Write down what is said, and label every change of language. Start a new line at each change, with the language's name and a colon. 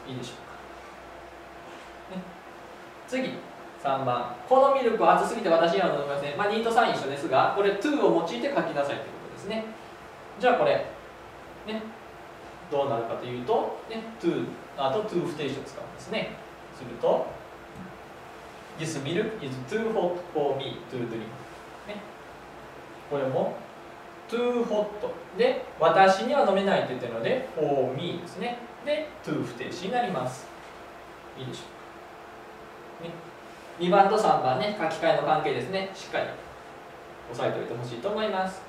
Japanese: いいでしょうか、ね、次、3番、このミルクは熱すぎて私には飲めません。まあ、2と3一緒ですが、これ、to を用いて書きなさいということですね。じゃあこれ、ね、どうなるかというと、ね、to、あと to 不定詞を使うんですね。
English: すると、this milk is too hot for me to drink、ね。
Japanese: これも、too hot で、私には飲めないと言っているので、for me ですね。で、to 不定詞になります。いいでしょうか。ね、2番と3番ね、書き換えの関係ですね。しっかり押さえておいてほしいと思います。